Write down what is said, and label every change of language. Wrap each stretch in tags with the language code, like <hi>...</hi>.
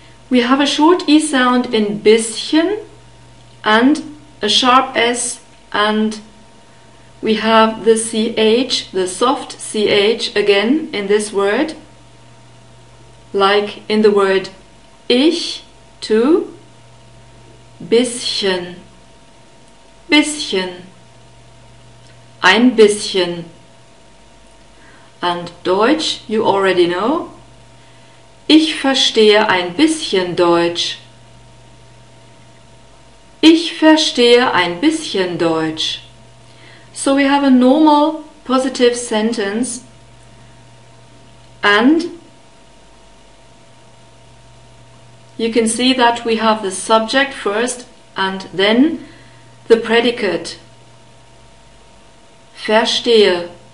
<en>We have a short E sound in bisschen and a sharp S, and we have the CH, the soft CH again in this word, like in the word ich too.</en> <de>Bisschen, bisschen, ein bisschen.</de> <en>And Deutsch, you already know.</en> <de>Ich verstehe ein bisschen Deutsch. Ich verstehe ein bisschen Deutsch.</de> <en>So we have a normal positive sentence, and you can see that we have the subject first and then the predicate. Verstehe.</en>